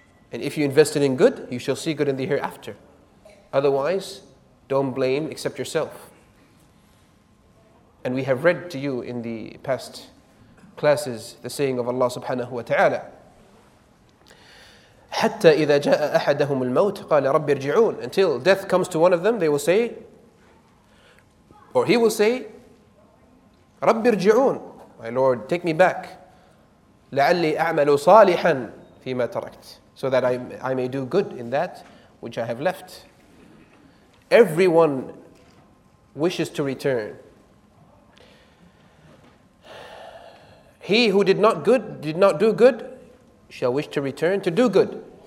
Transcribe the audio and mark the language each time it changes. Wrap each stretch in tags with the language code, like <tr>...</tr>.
<en>And if you invested in good, you shall see good in the hereafter. Otherwise, don't blame except yourself. And we have read to you in the past classes the saying of Allah subhanahu wa ta'ala.</en> <ar>حتى إذا جاء أحدهم الموت قال رب ارجعون.</ar> <en>Until death comes to one of them, they will say, or he will say,</en> <ar>رب ارجعون.</ar> <en>My Lord, take me back.</en> <ar>لعلي أعمل صالحا فيما تركت.</ar> <en>So that I may do good in that which I have left. Everyone wishes to return. He who did not do good, shall wish to return to do good.</en>